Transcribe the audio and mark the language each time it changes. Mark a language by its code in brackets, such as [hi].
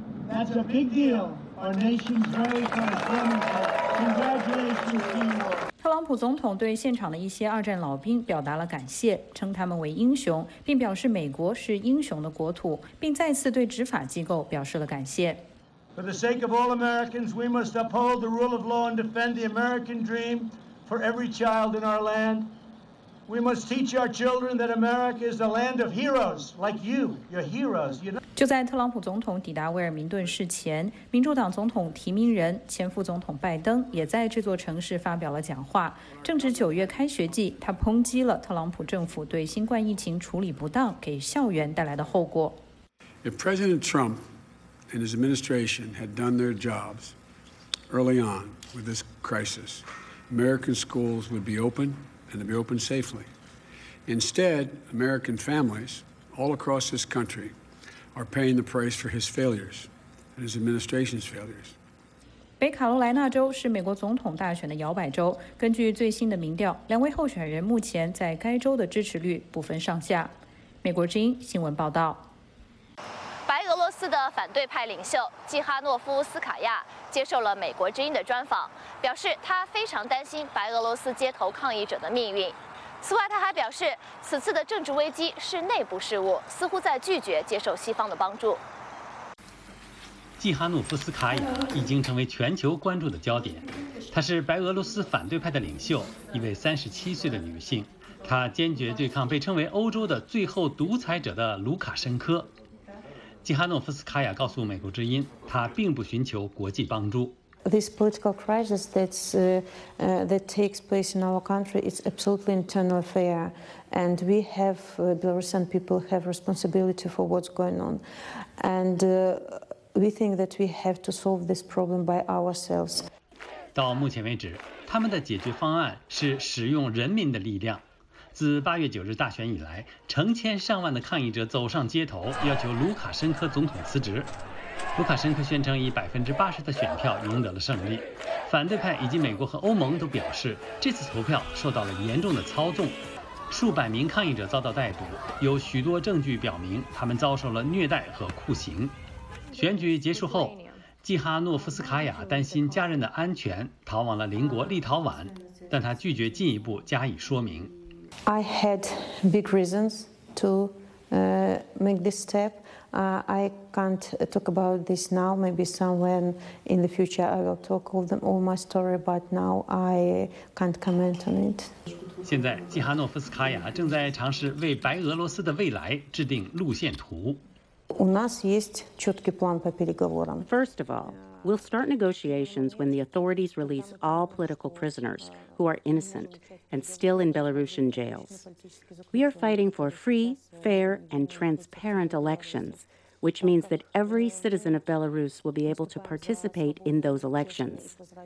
[en] That's a big deal. Our nation's very first. Congratulations, team. [zh] 特朗普总统对现场的一些二战老兵表达了感谢，称他们为英雄，并表示美国是英雄的国土，并再次对执法机构表示了感谢。 [en] For the sake of all Americans, we must uphold the rule of law and defend the American dream. For every child in our land, we must teach our children that America is the land of heroes, like you. You're heroes. You know. [zh] 就在特朗普总统抵达威尔明顿市前，民主党总统提名人、前副总统拜登也在这座城市发表了讲话。正值九月开学季，他抨击了特朗普政府对新冠疫情处理不当给校园带来的后果。 [en] If President Trump and his administration had done their jobs early on with this crisis. American schools would be open and to be open safely. Instead, American families all across this country are paying the price for his failures and his administration's failures. [zh] 北卡罗来纳州是美国总统大选的摇摆州。根据最新的民调，两位候选人目前在该州的支持率不分上下。美国之音新闻报道。白俄罗斯的反对派领袖季哈诺夫斯卡娅接受了美国之音的专访，表示他非常担心白俄罗斯街头抗议者的命运。此外，他还表示此次的政治危机是内部事务，似乎在拒绝接受西方的帮助。季哈诺夫斯卡娅已经成为全球关注的焦点，她是白俄罗斯反对派的领袖，一位37岁的女性，她坚决对抗被称为欧洲的最后独裁者的卢卡申科。季哈诺夫斯卡娅告诉美国之音，她并不寻求国际帮助。 [en] This political crisis that takes place in our country is absolutely internal affair, and we have Belarusian people have responsibility for what's going on, and we think that we have to solve this problem by ourselves. [zh] 到目前为止，他们的解决方案是使用人民的力量。自8月9日大选以来，成千上万的抗议者走上街头，要求卢卡申科总统辞职。卢卡申科宣称以80%的选票赢得了胜利。反对派以及美国和欧盟都表示，这次投票受到了严重的操纵，数百名抗议者遭到逮捕，有许多证据表明他们遭受了虐待和酷刑。选举结束后，季哈诺夫斯卡娅担心家人的安全，逃往了邻国立陶宛，但她拒绝进一步加以说明。 [en] I had big reasons to make this step. I can't talk about this now. Maybe somewhere in the future I will talk of them all my story, but now I can't comment on it. [zh] 现在，季哈诺夫斯卡娅正在尝试为白俄罗斯的未来制定路线图。 [ru] У нас есть чёткий план по переговорам. [en] First of all, we'll start negotiations when the authorities release all political prisoners who are innocent and still in Belarusian jails. We are fighting for free, fair, and transparent elections, which means that every citizen of Belarus will be able to participate in those elections.